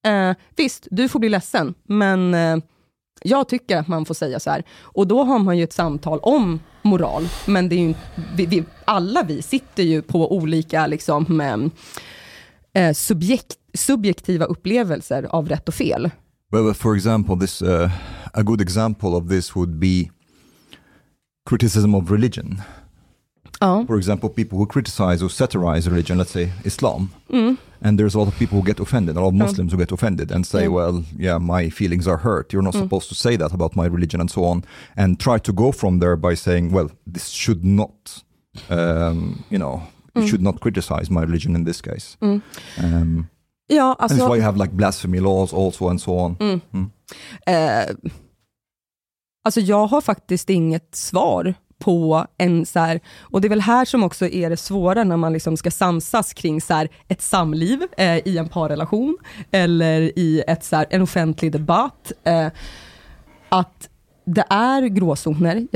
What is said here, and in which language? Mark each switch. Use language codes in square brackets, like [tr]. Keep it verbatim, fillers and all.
[sv] Eh, visst, du får bli ledsen. Men eh, jag tycker att man får säga så här. Och då har man ju ett samtal om moral. Men det är ju, vi, vi, alla vi sitter ju på olika liksom, eh, subjekt, subjektiva upplevelser av rätt och fel. [en] Well, for example, this, uh, a good example of this would be criticism of religion. Oh. For example, people who criticize or satirize religion, let's say Islam, mm. and there's a lot of people who get offended, a lot of Muslims oh. who get offended and say, yeah. well, yeah, my feelings are hurt. You're not mm. supposed to say that about my religion and so on, and try to go from there by saying, well, this should not, um, you know, mm. you should not criticize my religion in this case. Mm. Um, yeah, and that's why you have like blasphemy laws also and so on. Mm. Mm. [sv] Uh, alltså, jag har faktiskt inget svar på en så här, och det är väl här som också är det svåra när man liksom ska samsas kring så här, ett samliv eh, i en parrelation eller i ett, så här, en offentlig debatt eh, att det är gråzoner.